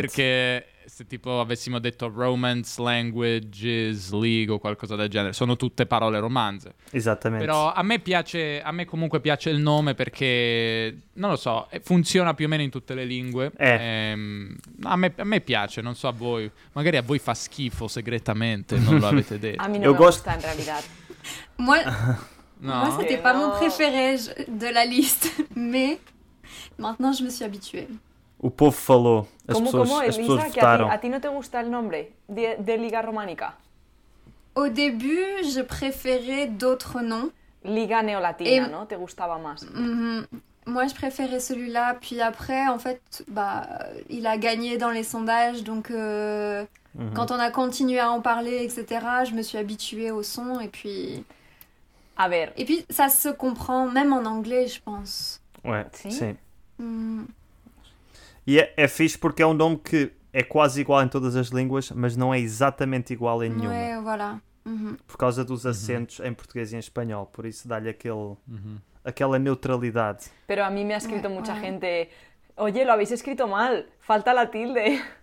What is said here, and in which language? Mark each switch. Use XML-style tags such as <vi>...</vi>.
<it>Perché se tipo avessimo detto Romance Languages League o qualcosa del genere, sono tutte parole romanze. Esattamente. Però a me comunque piace il nome perché, non lo so, funziona più o meno in tutte le lingue. A me piace, non so a voi. Magari a voi fa schifo segretamente, non lo avete detto. A me non gusta in realtà.</it> <fr>Moi, non. Moi c'était pas mon préféré de la liste, mais maintenant je me suis habituée.</fr> <pt>O povo falou, as como, pessoas, como, as pessoas votaram. A ti não te gusta o nome de Liga Romanica?</pt> <fr>Au début, je préférais d'autres noms.</fr> <pt>Liga Neolatina, não? Te gustava mais.</pt> <fr>Moi, je préférais celui-là, puis après, en fait, bah, il a gagné dans les sondages, donc quand on a continué à en parler, etc., je me suis habituée au son, et puis...</fr> <es>A ver.</es> <fr>Et puis, ça se comprend, même en anglais, je pense. Ouais, si.</fr> <pt>E é fixe porque é um nome que é quase igual em todas as línguas, mas não é exatamente igual em nenhuma.</pt> <fr>Ué, voilà.</fr> <pt>Por causa dos acentos em português e em espanhol, por isso dá-lhe aquele, aquela neutralidade.</pt> <es>Pero a mim me ha escrito mucha gente, oye, lo habéis escrito mal, falta la tilde.</es>